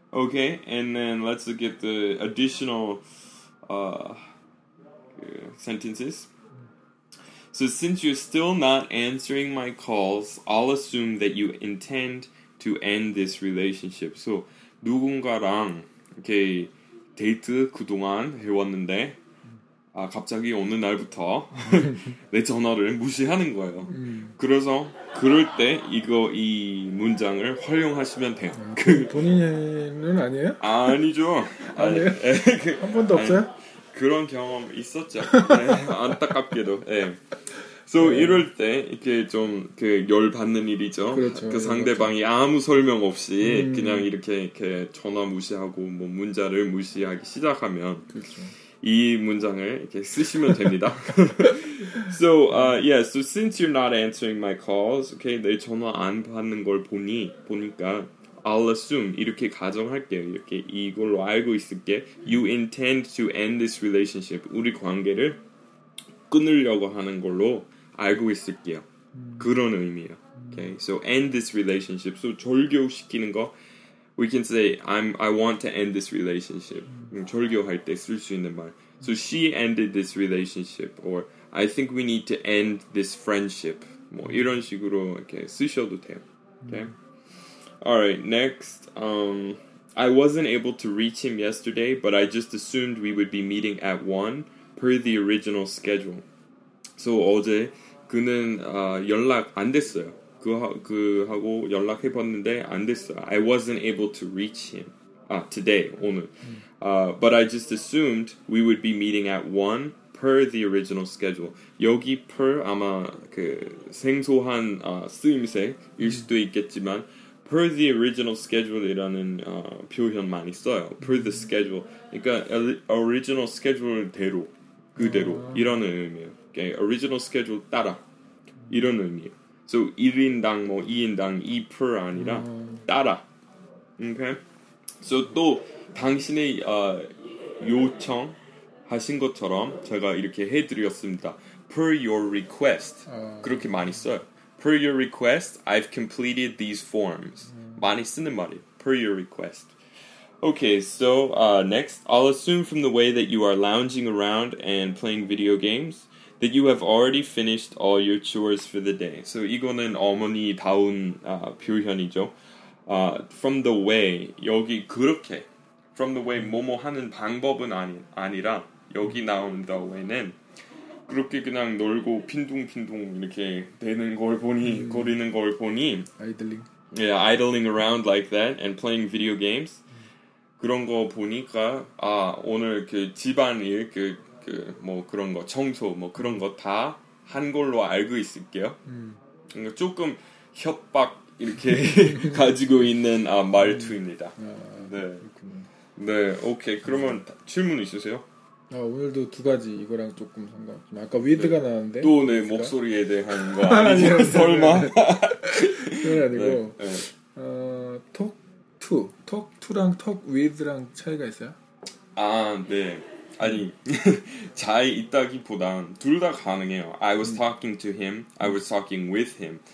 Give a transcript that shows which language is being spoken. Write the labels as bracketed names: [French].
[English] Okay, and then let's look at the additional sentences. So since you're still not answering my calls, I'll assume that you intend to end this relationship. [Korean] So 누군가랑 이렇게 데이트 그동안 해왔는데 아 갑자기 어느 날부터 내 전화를 무시하는 거예요. 그래서 그럴 때 이거 이 문장을 활용하시면 돼요. 그 본인은 아니에요? 아니죠. 아니에요? 아니, 그, 한 번도 없어요? 아니, 그런 경험 있었죠. 안타깝게도. 예. 그래서 이럴 때 이렇게 좀 그 열 받는 일이죠. 그렇죠, 그 상대방이 그렇죠. 아무 설명 없이 그냥 이렇게 이렇게 전화 무시하고 뭐 문자를 무시하기 시작하면 그렇죠. 이 문장을 이렇게 쓰시면 됩니다. [English] So yeah, so since you're not answering my calls, okay, [Korean] 내 전화 안 받는 걸 보니까 [English] I'll assume [Korean] 이렇게 가정할게요. 이렇게 이걸로 알고 있을게. [English] You intend to end this relationship. [Korean] 우리 관계를 끊으려고 하는 걸로 알고 있을게요. 그런 의미예요. Okay. [English] So end this relationship. [Korean] So 절교시키는 거. [English] We can say I want to end this relationship. [Korean] 절교할 때 쓸 수 있는 말. [English] So she ended this relationship or I think we need to end this friendship. [Korean] 뭐 이런 식으로 이렇게 쓰셔도 돼요. [English] Okay. All right. Next, I wasn't able to reach him yesterday, but I just assumed we would be meeting at 1 per the original schedule. [Korean] So 어제 그는 연락 안 됐어요. 그하고 연락해 봤는데 안 됐어요. [English] I wasn't able to reach him today 오늘. But I just assumed we would be meeting at 1 per the original schedule. [Korean] 여기 per 아마 그 생소한 쓰임새일 수도 있겠지만 [English] per the original schedule [Korean] 이라는 표현 많이 써요. [English] Per the schedule. [Korean] 그러니까 original schedule대로 그대로 이런 의미예요. Okay. Original schedule 따라 이런 의미예요. So 1인당 뭐 2인당 2 per 아니라 따라. Okay. So 또 당신의 요청 하신 것처럼 제가 이렇게 해드렸습니다. [English] Per your request [Korean] 그렇게 많이 써요. [English] Per your request, I've completed these forms. [Korean] 많이 쓰는 말이에요. [English] Per your request. Okay, so next, I'll assume from the way that you are lounging around and playing video games that you have already finished all your chores for the day. [Korean] So 이거는 어머니 다운 표현이죠. From the way, 여기 그렇게. From the way, 뭐뭐 하는 방법은 아니라 여기 나온 the way는 그렇게 그냥 놀고 핀둥핀둥 이렇게 되는 걸 보니 거리는 걸 보니 [English] idling. Yeah, idling around like that and playing video games. [Korean] 그런 거 보니까 아, 오늘 그 집안일 그 뭐 그런 거 청소 뭐 그런 거 다 한 걸로 알고 있을게요. 그러니까 조금 협박 이렇게 가지고 있는 말투입니다. 아, 네. 네, 오케이. 그러면 질문 있으세요? 아, 오늘도 두 가지 이거랑 조금 상관없지만 아까 위드가 네. 나왔는데 또 내 목소리에 대한 거 아니죠? 설마? 그건 아니고 네. 톡투랑 톡위드랑 차이가 있어요? 아, 네 아니 차이 있다기보단 둘 다 가능해요. [English] I was talking to him, I was talking with him.